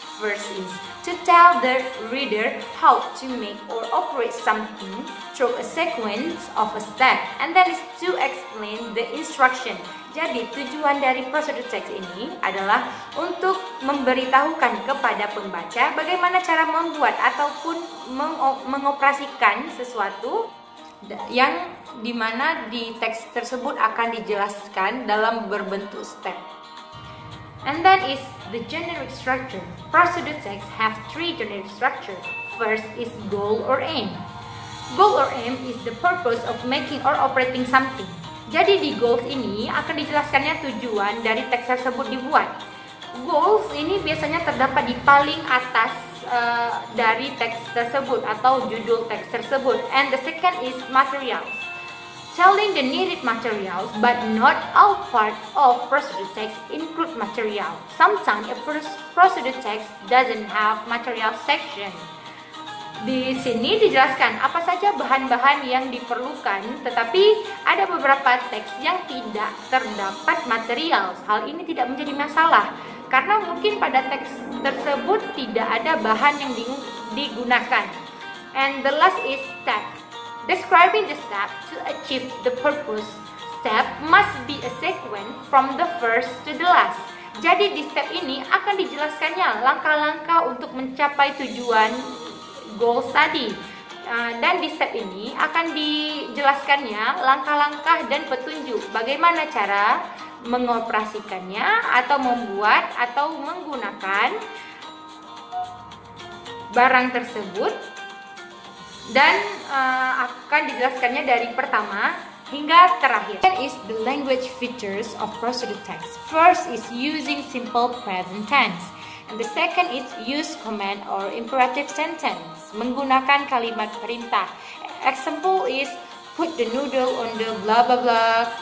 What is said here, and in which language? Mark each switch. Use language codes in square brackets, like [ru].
[en] First is to tell the reader how to make or operate something through a sequence of a step. And then is to explain the instruction. [id] Jadi tujuan dari prosedur teks ini adalah untuk memberitahukan kepada pembaca bagaimana cara membuat ataupun mengoperasikan sesuatu yang dimana di teks tersebut akan dijelaskan dalam berbentuk step. [en] And then is the generic structure. Prosedur teks have three generic structure. First is goal or aim. Goal or aim is the purpose of making or operating something. [id] Jadi di goals ini akan dijelaskannya tujuan dari teks tersebut dibuat. Goals ini biasanya terdapat di paling atas dari teks tersebut atau judul teks tersebut. [en] And the second is materials. Telling the needed materials, but not all part of prosedur teks include material. Sometimes a prosedur teks doesn't have material section. [id] Di sini dijelaskan apa saja bahan-bahan yang diperlukan, tetapi ada beberapa teks yang tidak terdapat material. Hal ini tidak menjadi masalah, karena mungkin pada teks tersebut tidak ada bahan yang digunakan. [en] And the last is step. Describing the step to achieve the purpose. Step must be a sequence from the first to the last. [id] Jadi di step ini akan dijelaskannya langkah-langkah untuk mencapai tujuan goals tadi. Dan di step ini akan dijelaskannya langkah-langkah dan petunjuk bagaimana cara mengoperasikannya atau membuat atau menggunakan barang tersebut. Dan akan dijelaskannya dari pertama hingga terakhir. [en] Then is the language features of prosedur teks. First is using simple present tense. And the second is use command or imperative sentence. [id] Menggunakan kalimat perintah. [en] Example is put the noodle on the blah blah blah.